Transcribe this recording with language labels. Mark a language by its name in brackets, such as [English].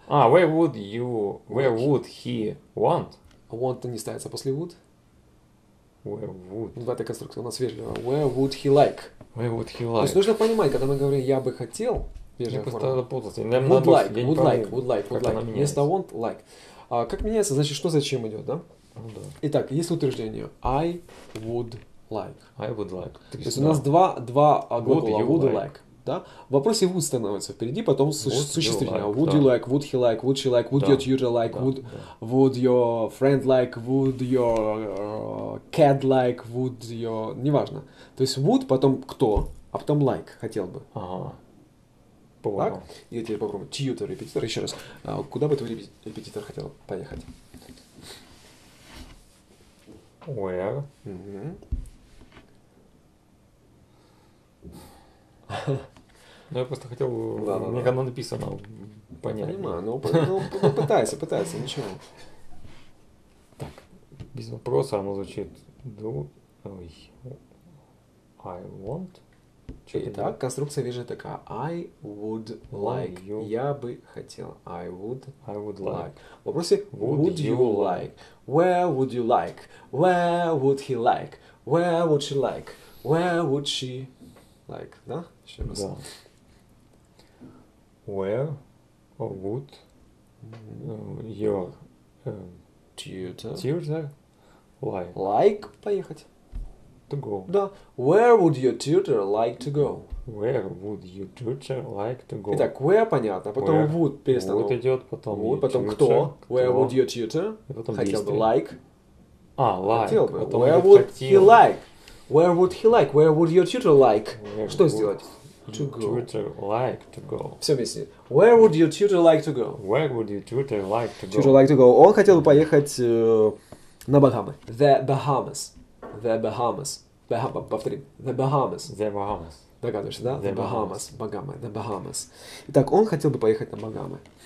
[English] А, where would you, where would, would he want? [Russian] Want не ставится после would. [English] Where would. [Russian] В этой конструкции у нас вежливо. [English] Where would he like? Where would he like? [Russian] То есть нужно понимать, когда мы говорим я бы хотел, вежливо. Я просто запутался. [English] Would, like, would, like, would like, would like, would like. [Russian] Вместо [English] want, like. [Russian] А, как меняется, значит, что зачем идет, да? Ну да. Итак, есть утверждение. [English] I would like. I would like. [Russian] То есть да. У нас два глагола. [English] Would you like? Да? [Russian] В вопросе would становится впереди, потом существительное. [English] Like, would да. You like, would he like, would she like, would да. Your tutor like, да, would, да. Would your friend like, would your cat like, would your... [Russian] Неважно. То есть would, потом кто, а потом like, хотел бы. Ага. Понял. Так? Я теперь попробую. Tutor, репетитор, еще раз. А, куда бы твой репетитор хотел поехать? [English] Where? [Russian] Угу. Mm-hmm. Ну, я просто хотел, у меня оно написано, понять. Понимаю, пытайся, ничего. Так, без вопроса оно звучит. [English] Do I want? [Russian] Итак, конструкция вижу такая. [English] I would like. You... [Russian] Я бы хотел. [English] I would like. В вопросе would you like? Where would you like? Where would he like? Where would she like? Where would she like? Да? [Russian] Еще раз. Да. [English] Where would your tutor like? [Russian] Like поехать. [English] To go. [Russian] Да. [English] Where would your tutor like to go? Where would your tutor like to go? [Russian] Итак, where понятно, потом where would перестану. Would идет, потом would, потом кто? [English] Where would your tutor? [Russian] Потом хотел бы like. [English] А, like. [Russian] Хотел бы. Потом where would хотел. [English] He like? Where would he like? Where would your tutor like? [Russian] Where что сделать? [English] To go. Tutor like to go. [Russian] Все вместе. [English] Where would your tutor like to go? Where would your tutor like to go? Tutor like to go. [Russian] Он хотел бы поехать на Багамы. [English] The Bahamas. The Bahamas. [Russian] Повторим. [English] The Bahamas. The Bahamas. [Russian] Догадываешься, да? [English] The Bahamas. [Russian] Багамы. [English] The Bahamas. [Russian] Итак, он хотел бы поехать на Багамы.